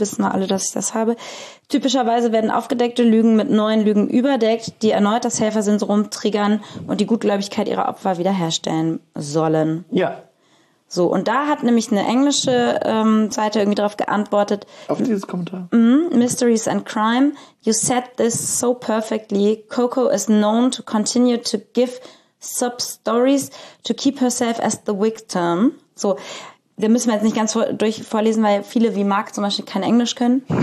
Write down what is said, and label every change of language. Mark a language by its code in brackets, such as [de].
[de] Wissen alle, dass ich das habe. Typischerweise werden aufgedeckte Lügen mit neuen Lügen überdeckt, die erneut das Helfersyndrom triggern und die Gutgläubigkeit ihrer Opfer wiederherstellen sollen. Ja. So, und da hat nämlich eine englische Seite irgendwie darauf geantwortet. Auf dieses Kommentar. [en] Mysteries and Crime, you said this so perfectly. Coco is known to continue to give sub-stories to keep herself as the victim. [de] So, da müssen wir jetzt nicht ganz vorlesen, weil viele wie Mark zum Beispiel kein Englisch können.